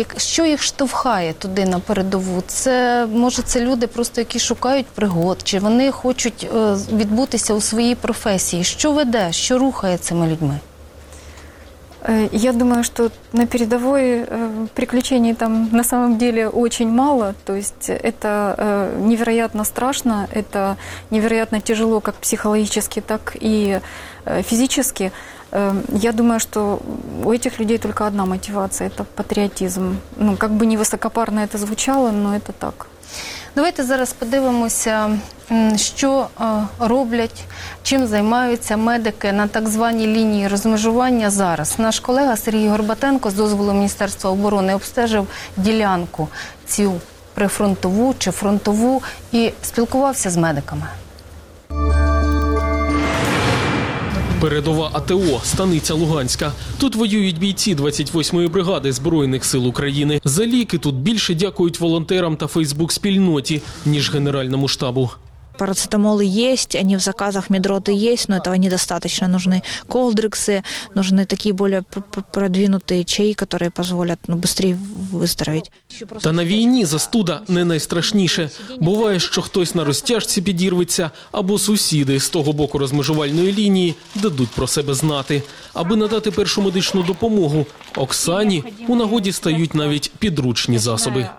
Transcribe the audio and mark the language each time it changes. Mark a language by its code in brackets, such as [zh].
[uk] Що їх штовхає туди на передову? Це, може, це люди просто, які шукають пригод? Чи вони хочуть відбутися у своїй професії? Що веде? Що рухає цими людьми? [ru] Я думаю, что на передовой приключений там на самом деле очень мало. То есть это невероятно страшно, это невероятно тяжело как психологически, так и физически. Я думаю, что у этих людей только одна мотивация – это патриотизм. Ну, как бы не высокопарно это звучало, но это так. [uk] Давайте зараз подивимося, що роблять, чим займаються медики на так званій лінії розмежування зараз. Наш колега Сергій Горбатенко з дозволу Міністерства оборони обстежив ділянку цю прифронтову чи фронтову і спілкувався з медиками. Передова АТО – Станиця Луганська. Тут воюють бійці 28-ї бригади Збройних сил України. За ліки тут більше дякують волонтерам та фейсбук-спільноті, ніж Генеральному штабу. [ru] Парацетамолы есть, они в заказах, медроты есть, но этого недостаточно. Нужны колдриксы, нужны такие более продвинутые чаи, которые позволят быстрее выздороветь. [uk] Та на війні застуда не найстрашніше. Буває, що хтось на розтяжці підірветься, або сусіди з того боку розмежувальної лінії дадуть про себе знати. Аби надати першу медичну допомогу, Оксані у нагоді стають навіть підручні засоби.